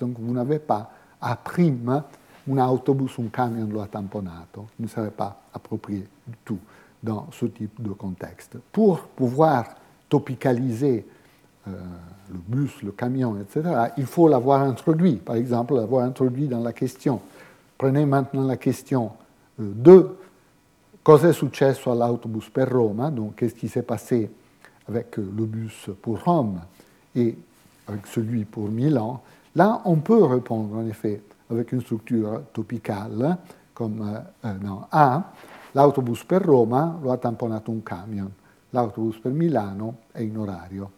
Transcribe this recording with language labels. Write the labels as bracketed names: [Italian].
[French] Donc vous n'avez pas, a prime, [Italian] un autobus, un camion lo ha tamponato. [French] Il ne serait pas approprié du tout dans ce type de contexte. Pour pouvoir topicaliser le bus, le camion, etc., il faut l'avoir introduit, par exemple, l'avoir introduit dans la question. Prenez maintenant la question 2. [Italian] Cos'è successo all'autobus per Roma? [French] Donc, qu'est-ce qui s'est passé avec le bus pour Rome et avec celui pour Milan? Là, on peut répondre, en effet, avec une structure topicale, comme dans A, [Italian] l'autobus per Roma lo ha tamponato un camion, l'autobus per Milano è in orario.